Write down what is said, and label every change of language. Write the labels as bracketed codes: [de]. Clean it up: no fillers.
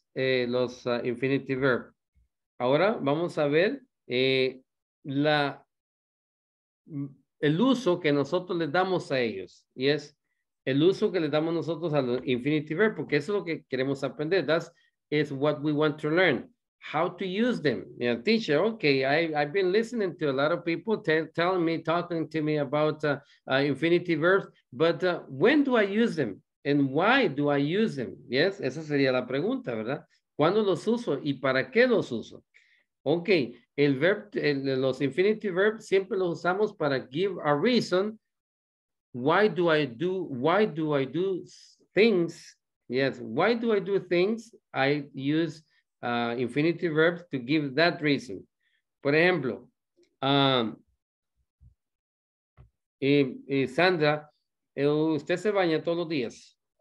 [en] Los infinitive verb. [es] Ahora vamos a ver el uso que nosotros le damos a ellos. Y es el uso que le damos nosotros a los infinitive verb, porque eso es lo que queremos aprender. [en] That is what we want to learn. How to use them. Yeah, teacher, okay, I've been listening to a lot of people telling me, talking to me about infinitive verbs, but when do I use them? And why do I use them? Yes, [es] esa sería la pregunta, ¿verdad? ¿Cuándo los uso y para qué los uso? Ok, los infinitive verbs siempre los usamos para [en] give a reason. Why do I do things? Yes, why do I do things? I use infinitive verbs to give that reason. [es] Por ejemplo, Sandra, usted se baña todos los días.